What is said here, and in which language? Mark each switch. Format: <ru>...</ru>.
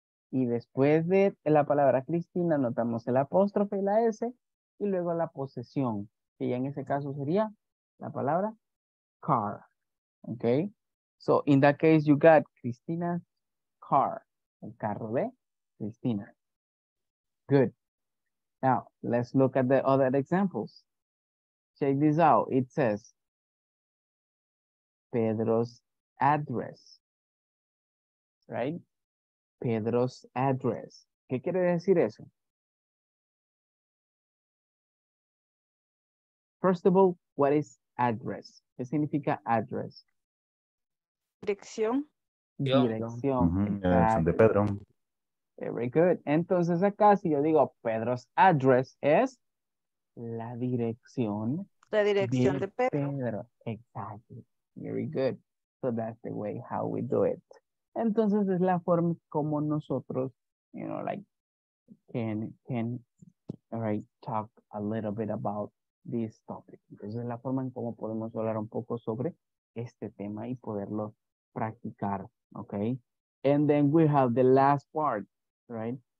<es>Y después de la palabra Cristina, notamos el apóstrofe y la S, y luego la posesión, que ya en ese caso sería la palabra car, okay?</es> <en>So, in that case, you got Cristina's car,</en> <es>el carro de Cristina.</es> <en>Good. Now, let's look at the other examples. Check this out. It says, Pedro's address, right?</en> <es>Pedro's address. ¿Qué quiere decir eso?</es> <en>First of all, what is address?</en> <es>¿Qué significa address? Dirección. Dirección. Dirección de Pedro.</es> <en>Very good.</en> <es>Entonces acá si yo digo Pedro's address es la dirección. La dirección de Pedro. Exacto.</es> <en>Very good. So that's the way how we do it.</en> <es>Entonces es la forma como nosotros,</es> <en>you know, like, can right, talk a little bit about this topic.</en> <es>Entonces es la forma en cómo podemos hablar un poco sobre este tema y poderlo practicar, okay?</es> <en>And then we have the last part, right?</en>